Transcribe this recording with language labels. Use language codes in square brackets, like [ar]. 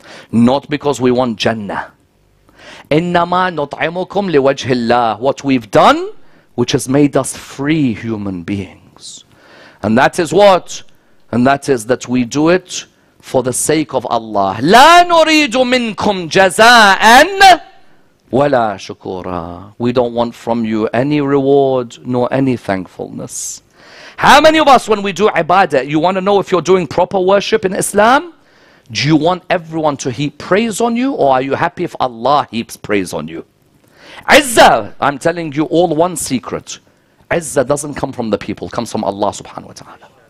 [en] Not because we want Jannah. [ar] إِنَّمَا نُطْعِمُكُمْ لِوَجْهِ اللَّهِ. [en] What we've done, which has made us free human beings. And that is what? And that is that we do it for the sake of Allah. [ar] لا نريد منكم جزاء ولا شكورا. [en] We don't want from you any reward nor any thankfulness. How many of us, when we do ibadah, you want to know if you're doing proper worship in Islam? Do you want everyone to heap praise on you, or are you happy if Allah heaps praise on you? Izzah, I'm telling you all one secret. Izzah doesn't come from the people, it comes from Allah subhanahu wa ta'ala.